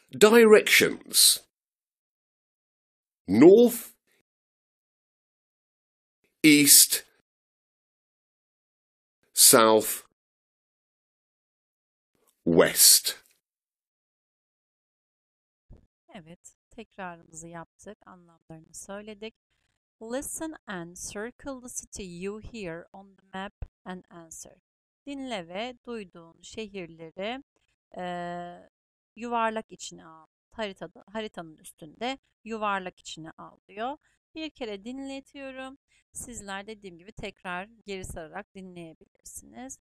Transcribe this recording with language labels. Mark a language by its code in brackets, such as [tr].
[en] Directions. North, east, south, west. [tr] Evet, tekrarımızı yaptık, anlamlarını söyledik. [en] Listen and circle the city you hear on the map and answer. [tr] Dinle ve duyduğun şehirleri yuvarlak içine al. Haritanın üstünde yuvarlak içine al diyor. Bir kere dinletiyorum. Sizler dediğim gibi tekrar geri sararak dinleyebilirsiniz.